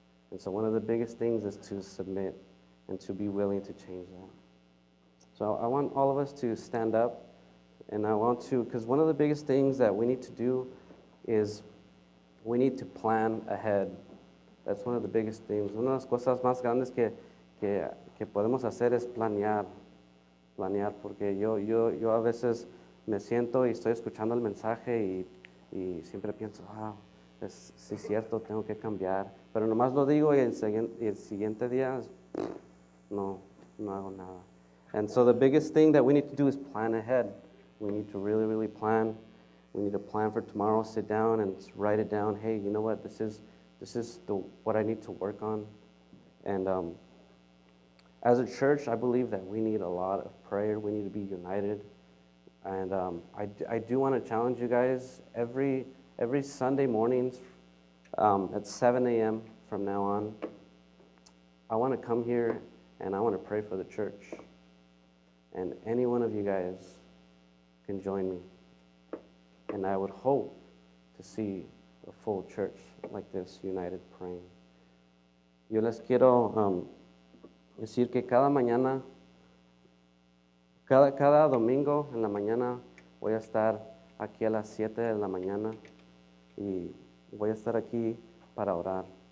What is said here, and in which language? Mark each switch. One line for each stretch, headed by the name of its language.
English: And so one of the biggest things is to submit and to be willing to change that. So I want all of us to stand up, and I want to, because one of the biggest things that we need to do is we need to plan ahead. That's one of the biggest things.
Spanish: Una de las cosas más grandes que podemos hacer es planear, porque yo a veces me siento y estoy escuchando el mensaje y siempre pienso, wow, sí es cierto, tengo que cambiar. Pero nomás lo digo y el siguiente día, no hago nada.
English: And so the biggest thing that we need to do is plan ahead. We need to really, really plan. We need to plan for tomorrow, sit down and write it down. Hey, you know what? This is what I need to work on. And as a church, I believe that we need a lot of prayer. We need to be united. And I do want to challenge you guys. Every Sunday mornings at 7 a.m. from now on, I want to come here and I want to pray for the church. And any one of you guys can join me. And I would hope to see a full church like this, united, praying.
Spanish: Yo les quiero decir que cada mañana, cada domingo en la mañana, voy a estar aquí a las 7 de la mañana y voy a estar aquí para orar.